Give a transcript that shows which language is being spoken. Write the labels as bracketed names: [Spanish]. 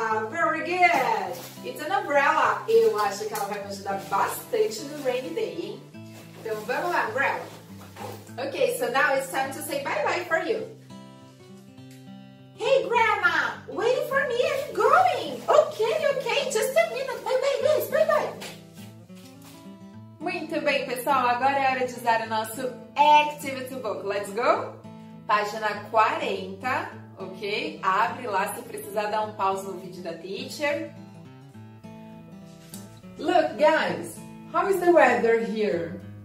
[English] Very good. It's an umbrella. [Portuguese] Eu acho que ela vai me ajudar bastante no rainy day, hein? Então vamos lá, umbrella. [English] Okay, so now it's time to say bye-bye for you. Hey, grandma, wait for me, I'm going. Okay, just a minute. Bye-bye. [Portuguese] Muito bem, pessoal. Agora é hora de usar o nosso activity book. [English] Let's go. [Portuguese] Página 40, ok? Abre lá se precisar dar um pause no vídeo da teacher. [English] Look, guys, how is the weather here?